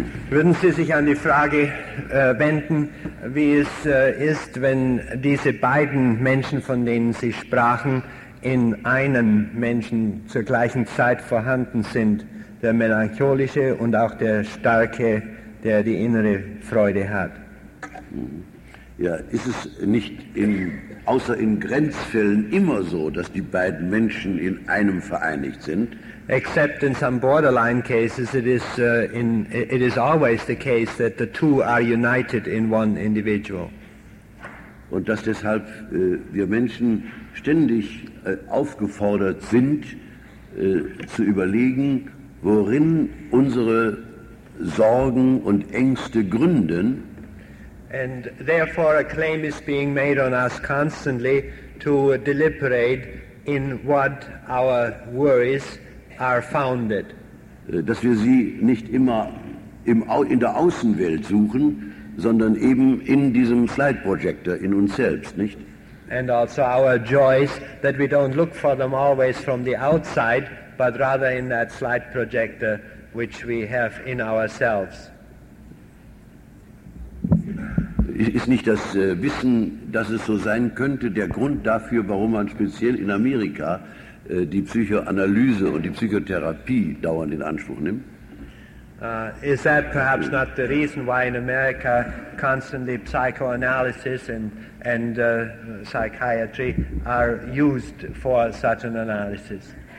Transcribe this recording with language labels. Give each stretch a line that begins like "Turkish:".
German: Würden Sie sich an die Frage wenden, wie es ist, wenn diese beiden Menschen, von denen Sie sprachen, in einem Menschen zur gleichen Zeit vorhanden sind, der melancholische und auch der starke, der die innere Freude hat? Ja, ist es nicht außer in Grenzfällen immer so, dass die beiden Menschen in einem vereinigt sind?
English: Except in some borderline cases, it is always the case that the two are united in one individual.
German: Und dass deshalb wir Menschen ständig aufgefordert sind, zu überlegen, worin unsere Sorgen und Ängste gründen.
English: And therefore a claim is being made on us constantly to deliberate in what our worries are founded.
German: Dass wir sie nicht immer in der Außenwelt suchen, sondern eben in diesem Slide Projector, in uns selbst, nicht?
English: And also our joys, that we don't look for them always from the outside, but rather in that Slide Projector, which we have in ourselves.
German: Ist nicht das Wissen, dass es so sein könnte, der Grund dafür, warum man speziell in Amerika die Psychoanalyse und die Psychotherapie dauernd in Anspruch nimmt?
English: Is that perhaps not the reason why in America constantly psychoanalysis and psychiatry are used for such an analysis?